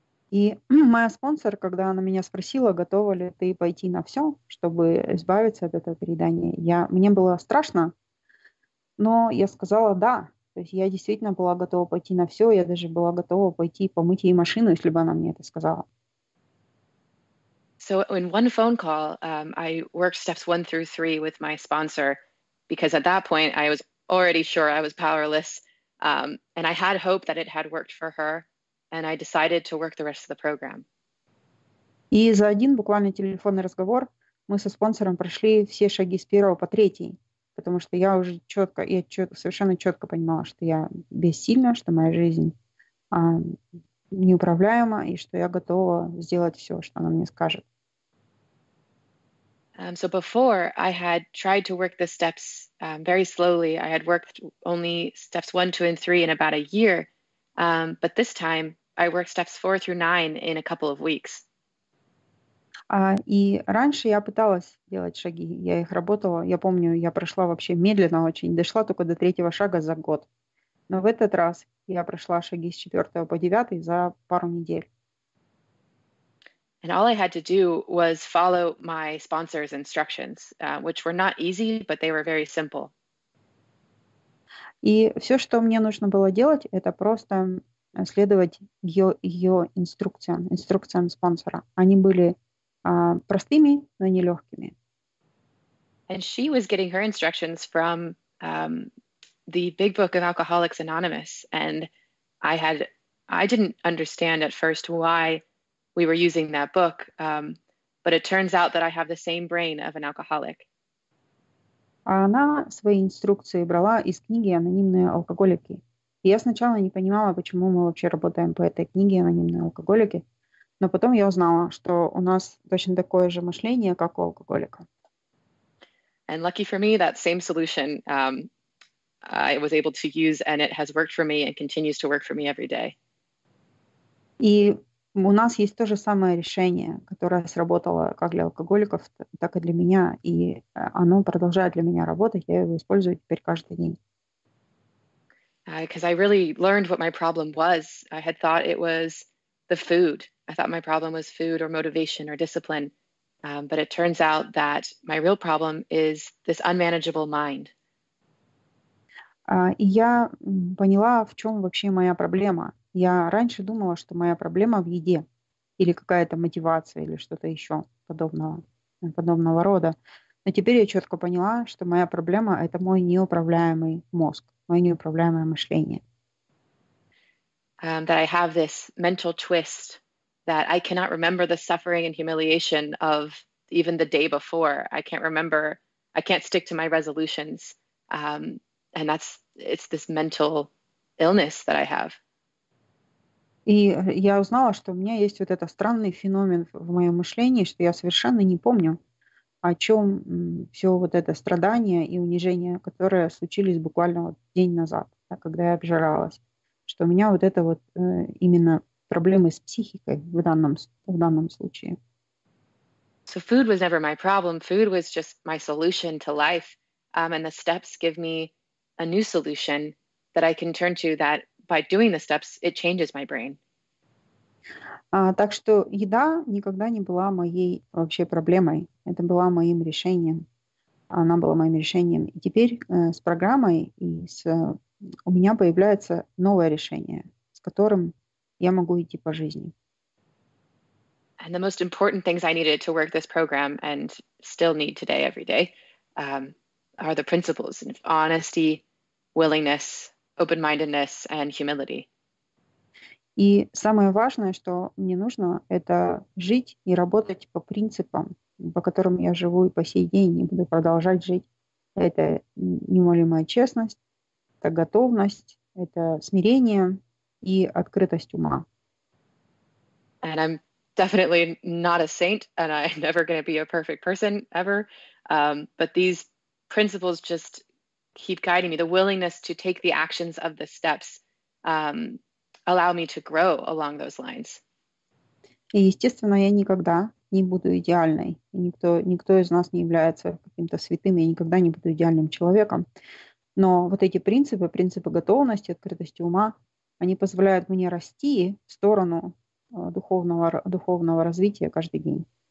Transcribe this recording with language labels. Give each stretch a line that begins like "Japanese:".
Russian: И моя спонсор, когда она меня спросила, готова ли ты пойти на все, чтобы избавиться от этого переедания, мне было страшно, но я сказала да. То есть я действительно была готова пойти на все, я даже была готова пойти помыть ей машину, если бы она мне это сказала.
English: So in one phone call, I worked steps 1 through 3 with my sponsor, because at that point I was already sure I was powerless, and I had hope that it had worked for her, and I decided to work the rest of the program.
Russian: И за один буквально телефонный разговор мы со спонсором прошли все шаги с первого по третий, потому что я уже четко и совершенно четко понимала, что я бессильна, что моя жизнь неуправляема и что я готова сделать все, что она мне скажет.
English: So before I had tried to work the steps very slowly. I had worked only steps 1, 2, and 3 in about a year, but this time I worked steps 4 through 9 in a couple of weeks.
Russian: И раньше я пыталась делать шаги, я их работала. Я помню, я прошла вообще медленно очень, дошла только до третьего шага за год. Но в этот раз я прошла шаги с четвертого по девятый за пару недель.
English: And all I had to do was follow my sponsor's instructions, which were not easy, but they were very simple.
Russian: И все, что мне нужно было делать, это просто следовать ее инструкциям, инструкциям спонсора. Они были простыми, но нелегкими.
English: And she was getting her instructions from the Big Book of Alcoholics Anonymous, and I didn't understand at first why we were using that book, but it turns out that I have the same brain of an alcoholic.
Russian: А она свои инструкции брала из книги «Анонимные алкоголики». И я сначала не понимала, почему мы вообще работаем по этой книге «Анонимные алкоголики». Но потом я узнала, что у нас точно такое же мышление, как у алкоголика.
English: And lucky for me, that same solution, I was able to use, and it has worked for me and continues to work for me every day.
Russian: И у нас есть то же самое решение, которое сработало как для алкоголиков, так и для меня. И оно продолжает для меня работать. Я его использую теперь каждый день.
English: Because I really learned what my problem was. I had thought it was the food. I thought my problem was food or motivation or discipline. But it turns out that my real problem is this unmanageable mind.
Russian: И я поняла, в чем вообще моя проблема. Я раньше думала, что моя проблема в еде или какая-то мотивация или что-то еще подобного рода. Но теперь я четко поняла, что моя проблема — это мой неуправляемый мозг, мое неуправляемое мышление.
English: That I have this mental twist that I cannot remember the suffering and humiliation of even the day before. I can't stick to my resolutions. And it's this mental illness that I have.
Russian: И я узнала, что у меня есть вот этот странный феномен в моем мышлении, что я совершенно не помню, о чем все вот это страдание и унижение, которые случились буквально вот день назад, да, когда я обжиралась, что у меня вот это вот именно проблемы с психикой в данном случае.
English: So food was never my problem. Food was just my solution to life. And the steps give me a new solution that I can turn to that by doing the steps, it changes my brain.
Russian: Так что еда никогда не была моей вообще проблемой. Это была моим решением. Она была моим решением. И теперь с программой у меня появляется новое решение, с которым я могу идти по жизни.
English: And the most important things I needed to work this program and still need today, every day, are the principles of honesty, willingness, open-mindedness, and humility.
Russian: И самое важное, что мне нужно, это жить и работать по принципам, по которым я живу и по сей день, и буду продолжать жить. Это неумолимая честность, это готовность, это смирение и открытость ума.
English: And I'm definitely not a saint, and I'm never going to be a perfect person ever. But these principles just keep guiding me. The willingness to take the actions of the steps allow me to grow along those lines.
Russian: И, естественно, я никогда не буду идеальной. И никто из нас не является каким-то святым. Я никогда не буду идеальным человеком. Но вот эти принципы, принципы готовности, открытости ума, они позволяют мне расти в сторону духовного развития каждый день.